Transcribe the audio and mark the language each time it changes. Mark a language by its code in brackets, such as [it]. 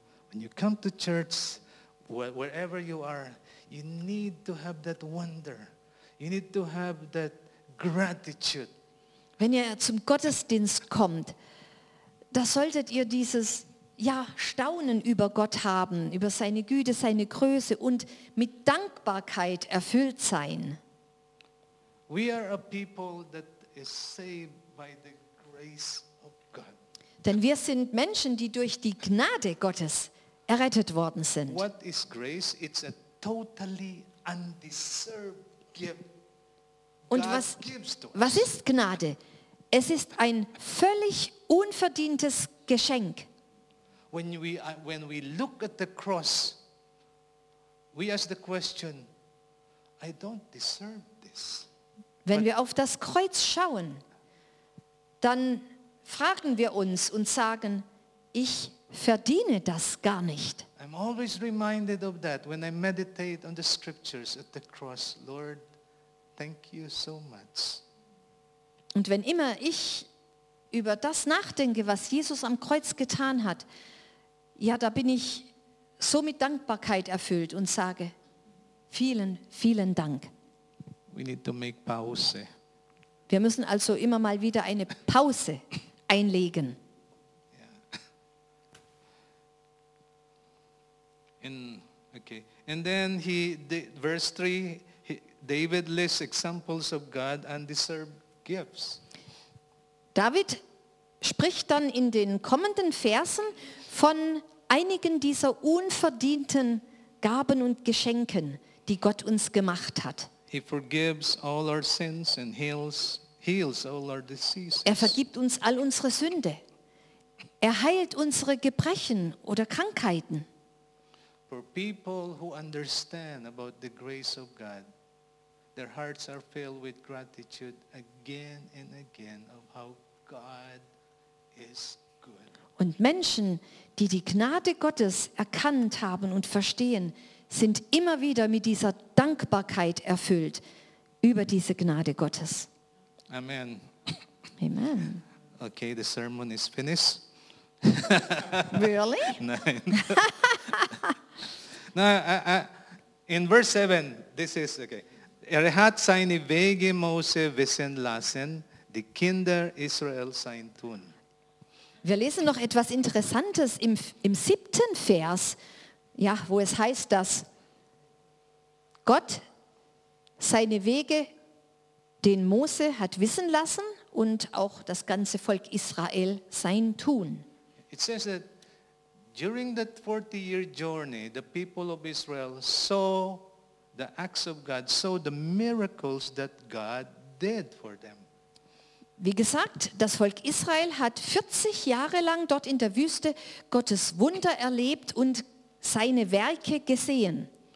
[en] When you come to church, wherever you are, you need to have that wonder. You need to have that gratitude. [de] Wenn ihr zum Gottesdienst kommt, da solltet ihr dieses Staunen über Gott haben, über seine Güte, seine Größe und mit Dankbarkeit erfüllt sein. [en] We are a people that is saved by the grace of God. [de] Denn wir sind Menschen, die durch die Gnade Gottes errettet worden sind. [en] What is grace? It's a totally undeserved gift. [de] Und was ist Gnade? Es ist ein völlig unverdientes Geschenk. [en] When we look at the cross, we ask the question, I don't deserve this. [de] Wenn wir auf das Kreuz schauen, dann fragen wir uns und sagen, ich verdiene das gar nicht. [en] I'm always reminded of that when I meditate on the scriptures at the cross. Lord, thank you so much. [de] Und wenn immer ich über das nachdenke, was Jesus am Kreuz getan hat, da bin ich so mit Dankbarkeit erfüllt und sage, vielen, vielen Dank. [en] We need to make pause. [de] Wir müssen also immer mal wieder eine Pause einlegen. [en] And then verse 3, David lists examples of God undeserved gifts. [de] David spricht dann in den kommenden Versen von einigen dieser unverdienten Gaben und Geschenken, die Gott uns gemacht hat. [en] He forgives all our sins and heals all our diseases. [de] Er vergibt uns all unsere Sünde. Er heilt unsere Gebrechen oder Krankheiten. [en] For people who understand about the grace of God, their hearts are filled with gratitude again and again of how God is good. [de] Und Menschen, die die Gnade Gottes erkannt haben und verstehen, sind immer wieder mit dieser Dankbarkeit erfüllt über diese Gnade Gottes. [en] Amen. Amen. Okay, the sermon is finished. Really? [de] Nein. [en] No, in verse 7, this is okay. [de] Er hat seine Wege Mose wissen lassen, die Kinder Israel sein tun. Wir lesen noch etwas Interessantes im 7. Vers, wo es heißt, dass Gott seine Wege den Mose hat wissen lassen und auch das ganze Volk Israel sein Tun. [en] It says that during that 40-year journey, the people of Israel saw the acts of God, saw the miracles that God did for them. [de] Wie gesagt, das Volk Israel hat 40 Jahre lang dort in der Wüste Gottes Wunder erlebt und seine Werke gesehen.